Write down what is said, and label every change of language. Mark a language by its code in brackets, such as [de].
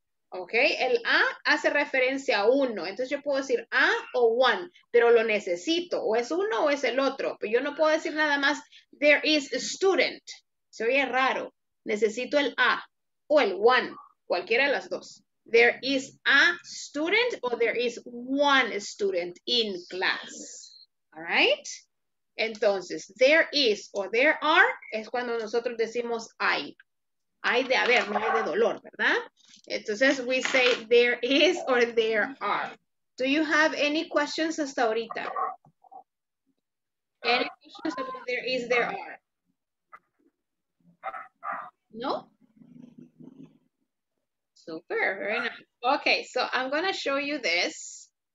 [es] Ok, el a hace referencia a uno, entonces yo puedo decir a o one, pero lo necesito, o es uno o es el otro. Pero yo no puedo decir nada más [en] there is a student, [es] se oye raro. Necesito el a o el one, cualquiera de las dos. [en] There is a student or there is one student in class. [es] All right? Entonces, [en] there is or there are [es] es cuando nosotros decimos hay. Hay de haber, no hay de dolor, ¿verdad? Entonces, [en] we say there is or there are. Do you have any questions [es] hasta ahorita? [en] Any questions about there is, there are? No? Super, very nice. Okay, so I'm gonna show you this.